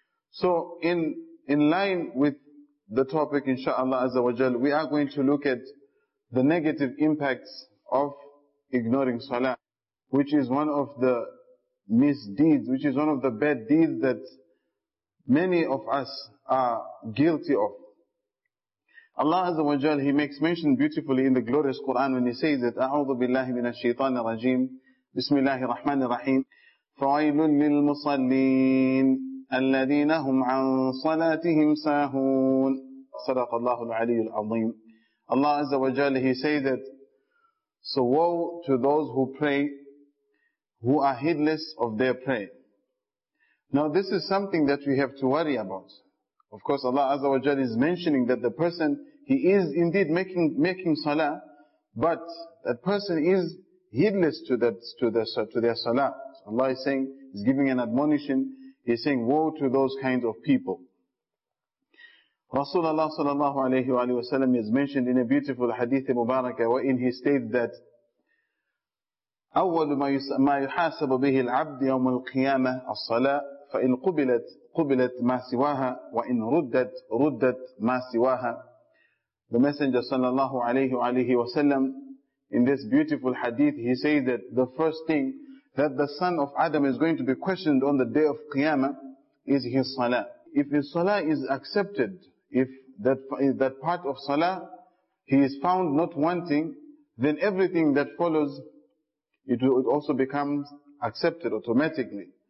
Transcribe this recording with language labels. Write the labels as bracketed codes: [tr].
[en] So in line with the topic, inshaAllah Azza wa Jal, we are going to look at the negative impacts of ignoring salah, which is one of the misdeeds, which is one of the bad deeds that many of us are guilty of. Allah Azza wa Jal, He makes mention beautifully in the glorious Quran when He says that, [ar] أَعُوذُ بِاللَّهِ مِنَ الشَّيْطَانِ الرَّجِيمِ بِسْمِ اللَّهِ الرَّحْمَنِ الرَّحِيمِ فَوَيْلٌ لِلْمُصَلِّينَ الَّذِينَ هُمْ عَنْ صَلَاتِهِمْ سَاهُونَ صدق الله العلي العظيم. [en] Allah Azza wa Jal, He says that, so woe to those who pray, who are heedless of their prayer. Now this is something that we have to worry about. Of course, Allah Azza wa Jal is mentioning that the person, he is indeed making salah, but that person is heedless to their salah. So Allah is saying, is giving an admonition, he's saying, woe to those kinds of people. Rasulullah sallallahu alayhi wa sallam is mentioned in a beautiful hadith mubarakah, wherein he states that, [ar] أول ما يحاسب به العبد يوم القيامة الصلاة فإن قبلت قبلت ما سواها وإن ردت ردت ما سواها. [en] The Messenger sallallahu alayhi wa sallam, in this beautiful hadith, he says that the first thing that the son of Adam is going to be questioned on the day of Qiyamah is his salah. If his salah is accepted, if that part of salah he is found not wanting, then everything that follows, it would also becomes accepted automatically.